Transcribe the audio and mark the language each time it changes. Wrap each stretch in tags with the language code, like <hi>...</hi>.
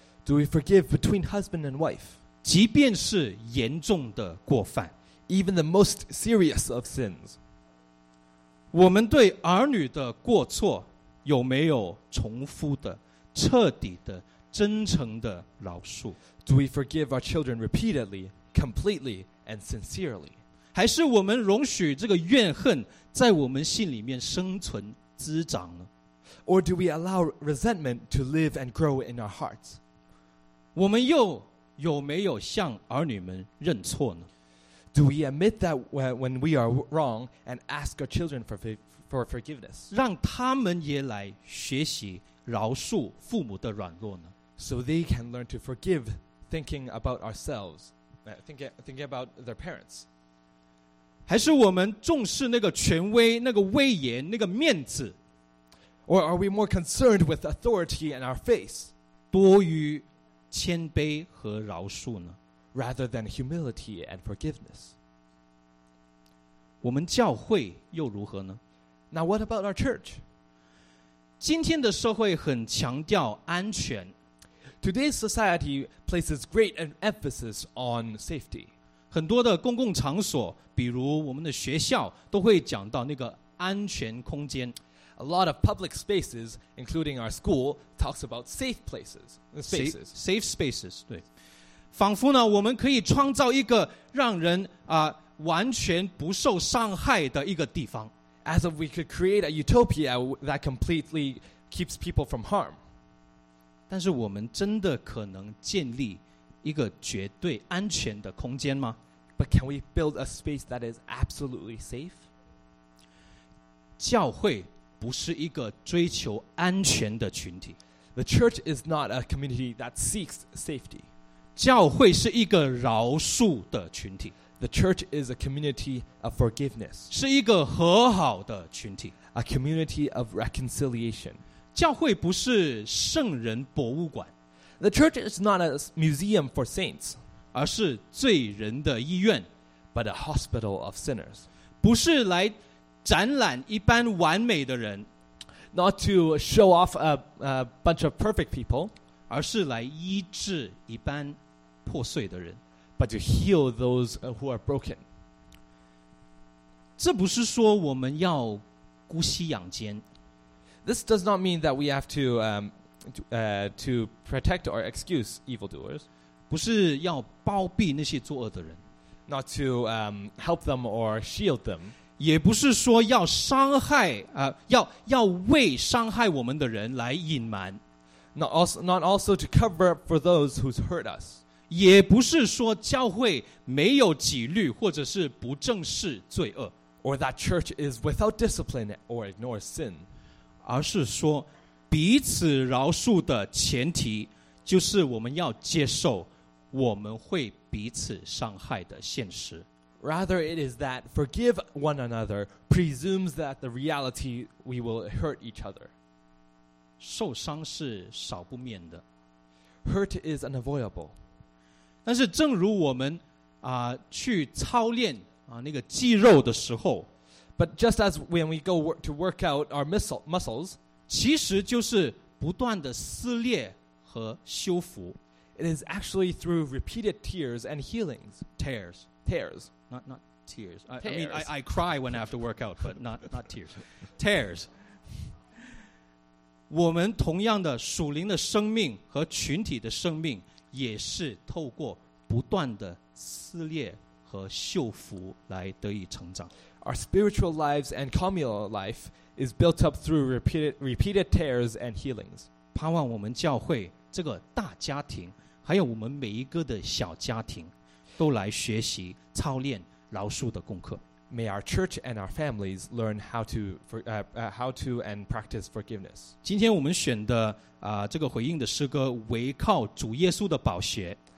<en>Do we forgive between husband and wife?</en> <zh>即便是严重的过犯。</zh> <en>Even the most serious of sins.</en> <zh>我们对儿女的过错有没有重复的、彻底的、真诚的饶恕？</zh> <en>Do we forgive our children repeatedly, completely, and sincerely?</en> <zh>还是我们容许这个怨恨在我们心里面生存滋长呢？</zh> <en>Or do we allow resentment to live and grow in our hearts?</en> <zh>我们又有没有向儿女们认错呢？</zh> <en>Do we admit that when we are wrong and ask our children for forgiveness?</en> <zh>让他们也来学习饶恕父母的软弱呢?</zh> <en>So they can learn to forgive thinking about ourselves, thinking about their parents.</en> <zh>还是我们重视那个权威、那个威严、那个面子?</zh> <en>Or are we more concerned with authority and our face?</en> <zh>多于谦卑和饶恕呢?</zh> <en>Rather than humility and forgiveness.</en> <zh>我们教会又如何呢？</zh> <en>Now what about our church?</en> <zh>今天的社会很强调安全。</zh> <en>Today's society places great emphasis on safety.</en> <zh>很多的公共场所，比如我们的学校，都会讲到那个安全空间。</zh> <en>A lot of public spaces, including our school, talks about safe places. Safe spaces,</en> <zh>对。仿佛呢，我们可以创造一个让人啊完全不受伤害的一个地方。</zh> <en>As if we could create a utopia that completely keeps people from harm.</en> <zh>但是我们真的可能建立一个绝对安全的空间吗？</zh> <en>But can we build a space that is absolutely safe?</en> <zh>教会不是一个追求安全的群体。</zh> <en>The church is not a community that seeks safety.</en> <zh>教会是一个饶恕的群体。</zh> <en>The church is a community of forgiveness.</en> <zh>是一个和好的群体。</zh> <en>A community of reconciliation.</en> <zh>教会不是圣人博物馆。</zh> <en>The church is not a museum for saints.</en> <zh>而是罪人的医院。</zh> <en>But a hospital of sinners.</en> <zh>不是来展览一般完美的人。</zh> <en>Not to show off a bunch of perfect people.</en> <zh>而是来医治一般破碎的人。</zh> <en>But to heal those who are broken.</en> <zh>这不是说我们要姑息养奸。</zh> <en>This does not mean that we have to protect or excuse evildoers.</en> <zh>不是要包庇那些作恶的人。</zh> <en>Not to help them or shield them.</en> <zh>也不是说要伤害要为伤害我们的人来隐瞒。</zh> <en>Not also to cover up for those who's hurt us.</en> <zh>也不是说教会没有纪律或者是不正视罪恶</zh> <en>or that church is without discipline or ignores sin</en> <zh>而是说彼此饶恕的前提就是我们要接受我们会彼此伤害的现实</zh> <en>rather it is that forgive one another presumes that the reality we will hurt each other</en> <zh>受伤是少不免的</zh> <en>hurt is unavoidable</en> <zh>但是正如我们去操练那个肌肉的时候</zh> <en>But just as when we go to work out our muscles</en> <zh>其实就是不断的撕裂和修复</zh> <en>It is actually through repeated tears and healings Tears Not tears. Tears I mean I cry when I have to work out But not tears Tears</en> <zh>我们同样的属灵的生命和群体的生命也是透过不断的撕裂和修复来得以成长。</zh> <en>Our spiritual lives and communal life is built up through repeated tears and healings.</en> <zh>盼望我们教会这个大家庭，还有我们每一个的小家庭，都来学习操练饶恕的功课。</zh> <en>May our church and our families learn how to and practice forgiveness.</en> <zh>今天我们选的这个回应的诗歌唯靠主耶稣的宝血。</zh>